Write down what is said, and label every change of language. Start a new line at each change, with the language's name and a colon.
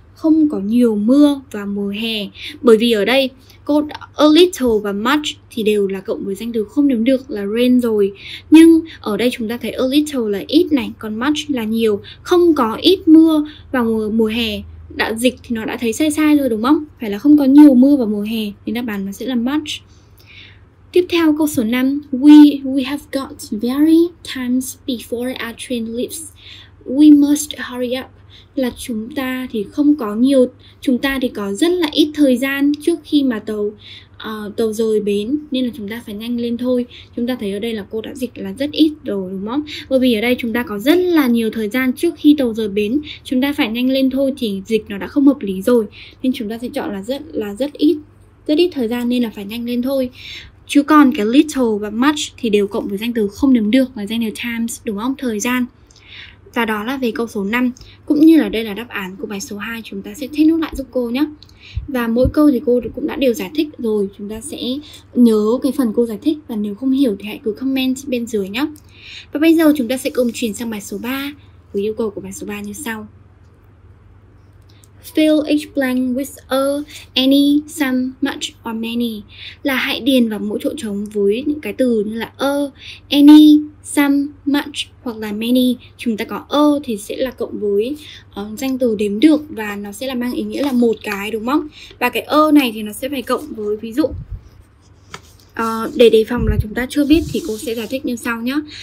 Vietnamese: Không có nhiều mưa vào mùa hè. Bởi vì ở đây a little và much thì đều là cộng với danh từ không đếm được là rain rồi. Nhưng ở đây chúng ta thấy a little là ít này, còn much là nhiều. Không có ít mưa vào mùa hè. Đã dịch thì nó đã thấy sai sai rồi đúng không? Phải là không có nhiều mưa vào mùa hè thì đáp án nó sẽ là much. Tiếp theo câu số 5.
English: We have got very times before our train leaves. We must hurry up.
Vietnamese: Là chúng ta thì không có nhiều, chúng ta thì có rất là ít thời gian trước khi mà tàu rời bến, nên là chúng ta phải nhanh lên thôi. Chúng ta thấy ở đây là cô đã dịch là rất ít rồi đúng không? Bởi vì ở đây chúng ta có rất là nhiều thời gian trước khi tàu rời bến, chúng ta phải nhanh lên thôi thì dịch nó đã không hợp lý rồi. Nên chúng ta sẽ chọn là rất ít thời gian nên là phải nhanh lên thôi. Chứ còn cái little và much thì đều cộng với danh từ không đếm được và danh từ times đúng không? Thời gian. Và đó là về câu số 5, cũng như là đây là đáp án của bài số 2, chúng ta sẽ take note lại giúp cô nhé. Và mỗi câu thì cô cũng đã đều giải thích rồi, chúng ta sẽ nhớ cái phần cô giải thích và nếu không hiểu thì hãy cứ comment bên dưới nhé. Và bây giờ chúng ta sẽ cùng chuyển sang bài số 3, với yêu cầu của bài số 3 như sau.
English: Fill each blank with a, any, some, much or many.
Vietnamese: Là hãy điền vào mỗi chỗ trống với những cái từ như là a, any, some, much hoặc là many. Chúng ta có a thì sẽ là cộng với danh từ đếm được và nó sẽ là mang ý nghĩa là một cái đúng không? Và cái a này thì nó sẽ phải cộng với ví dụ. Để đề phòng là chúng ta chưa biết thì cô sẽ giải thích như sau nhé.